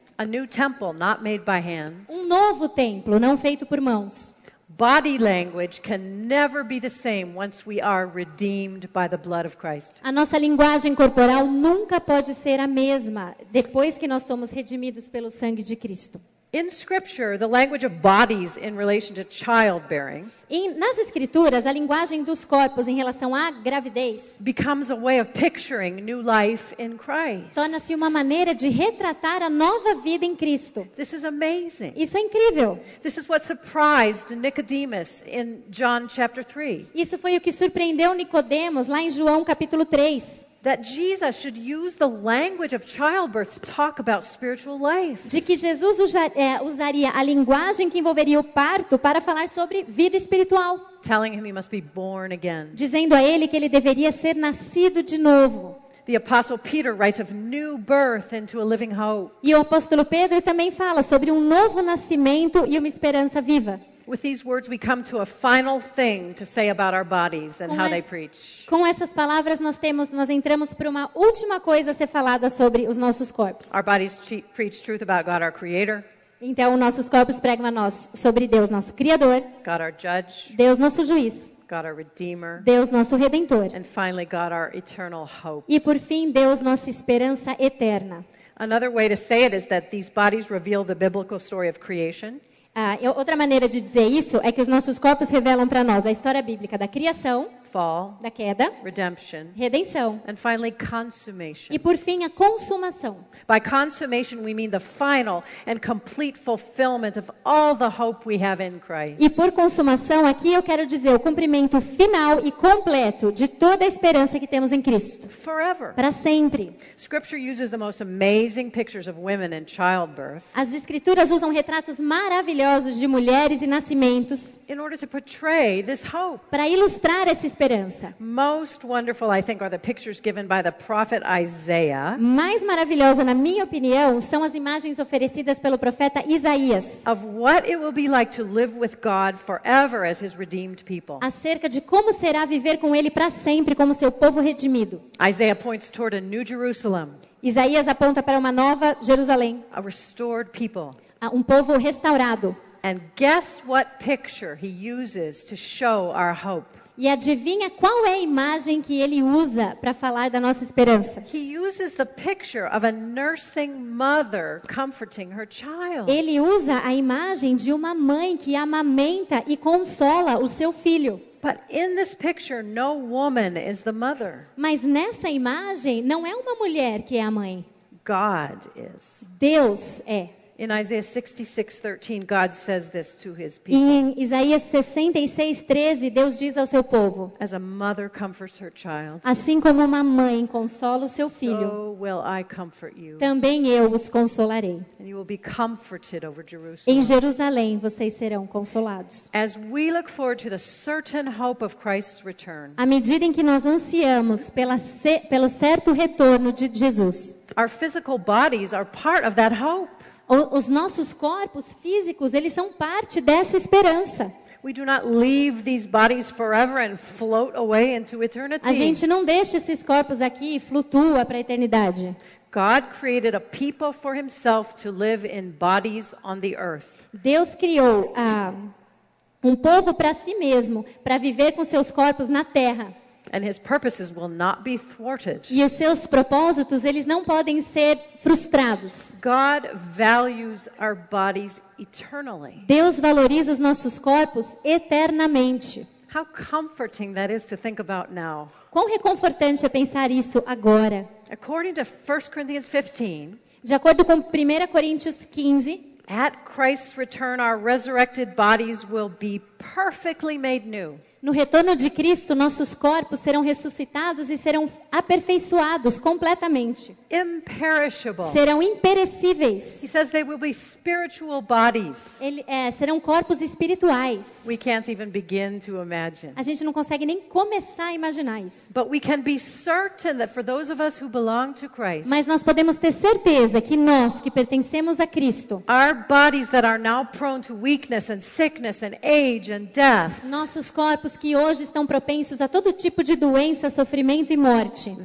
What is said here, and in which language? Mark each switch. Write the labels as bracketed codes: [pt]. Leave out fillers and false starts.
[en] A new temple not made by hands. [pt] Um novo templo não feito por mãos. [en] Body language can never be the same once we are redeemed by the blood of Christ. [pt] A nossa linguagem corporal nunca pode ser a mesma depois que nós somos redimidos pelo sangue de Cristo. [en] In scripture, the language of bodies in relation to childbearing. [pt] Nas escrituras, a linguagem dos corpos em relação à gravidez [en] becomes a way of picturing new life in Christ. [pt] Torna-se uma maneira de retratar a nova vida em Cristo. [en] This is amazing. [pt] Isso é incrível. [en] This is what surprised Nicodemus in John chapter 3. [pt] Isso foi o que surpreendeu Nicodemos lá em João capítulo 3. [en] That Jesus should use the language of childbirth to talk about spiritual life. [pt] De que Jesus usaria a linguagem que envolveria o parto para falar sobre vida espiritual. [en] Telling him he must be born again. [pt] Dizendo a ele que ele deveria ser nascido de novo. [en] The apostle Peter writes of new birth into a living hope. [pt] E o apóstolo Pedro também fala sobre novo nascimento e uma esperança viva. [en] With these words we come to a final thing to say about our bodies and how they preach. [pt] Com essas palavras nós entramos para uma última coisa a ser falada sobre os nossos corpos. [en] Our bodies preach truth about God our creator. [pt] Então, nossos corpos pregam a nós sobre Deus, nosso Criador. [en] God, our judge. [pt] Deus, nosso Juiz. [en] God, our Redeemer. [pt] Deus, nosso Redentor. [en] And finally, God, our eternal hope. [pt] E, por fim, Deus, nossa esperança eterna. [en] Another way to say it is that these bodies reveal the biblical story of creation. [pt] Outra maneira de dizer isso é que os nossos corpos revelam para nós a história bíblica da criação, [en] fall, [pt] da queda, [en] redemption, [pt] redenção, [en] and finally consummation. [pt] E por fim a consumação. [en] By consummation we mean the final and complete fulfillment of all the hope we have in Christ. [pt] E por consumação aqui eu quero dizer o cumprimento final e completo de toda a esperança que temos em Cristo. [en] Forever. [pt] Para sempre. [en] Scripture uses the most amazing pictures of women in childbirth. [pt] As escrituras usam retratos maravilhosos de mulheres e nascimentos. [en] In order to portray this hope. [pt] Para ilustrar essa esperança. [en] Most wonderful, I think, are the pictures given by the prophet Isaiah. [pt] Mais maravilhosa, na minha opinião, são as imagens oferecidas pelo profeta Isaías. [en] Of what it will be like to live with God forever as His redeemed people. [pt] Acerca de como será viver com Ele para sempre como seu povo redimido. [en] Isaiah points toward a new Jerusalem. [pt] Isaías aponta para uma nova Jerusalém. [en] A restored people. [pt] Um povo restaurado. [en] And guess what picture he uses to show our hope? [pt] E adivinha qual é a imagem que ele usa para falar da nossa esperança? [en] He uses the picture of a nursing mother comforting her child. [pt] Ele usa a imagem de uma mãe que amamenta e consola o seu filho. [en] But in this picture, no woman is the mother. [pt] Mas nessa imagem, não é uma mulher que é a mãe. [en] God is. [pt] Deus é. [en] In Isaiah 66:13, God says this to His people. [pt] Em Isaías 66:13, Deus diz ao seu povo. [en] As a mother comforts her child. [pt] Assim como uma mãe consola o seu filho. [en] So will I comfort you. [pt] Também eu os consolarei. [en] And you will be comforted over Jerusalem. [pt] Em Jerusalém vocês serão consolados. [en] As we look forward to the certain hope of Christ's return. [pt] À medida em que nós ansiamos pelo certo retorno de Jesus. [en] Our physical bodies are part of that hope. [pt] Os nossos corpos físicos, eles são parte dessa esperança. [en] We do not leave these bodies forever and float away into eternity. [pt] A gente não deixa esses corpos aqui e flutua para a eternidade. [en] God created a people for himself to live in bodies on the earth. [pt] Deus criou um povo para si mesmo, para viver com seus corpos na terra. [en] And his purposes will not be thwarted. [pt] E os seus propósitos, eles não podem ser frustrados. [en] God values our bodies eternally. [pt] Deus valoriza os nossos corpos eternamente. [en] How comforting that is to think about now. [pt] Quão reconfortante é pensar isso agora. [en] According to 1 Corinthians 15, [pt] de acordo com 1 Coríntios 15, [en] at Christ's return, our resurrected bodies will be perfectly made new. [pt] No retorno de Cristo, nossos corpos serão ressuscitados e serão aperfeiçoados completamente. [en] Imperishable. [pt] Serão imperecíveis. [en] He says they will be spiritual bodies. [pt] Serão corpos espirituais. [en] We can't even begin to imagine. [pt] A gente não consegue nem começar a imaginar isso. [en] But we can be certain that for those of us who belong to Christ. [pt] Mas nós podemos ter certeza que nós que pertencemos a Cristo. [en] Our bodies that are now prone to weakness and sickness and age and death. [pt] Nossos corpos que hoje estão propensos a todo tipo de doença, sofrimento e morte.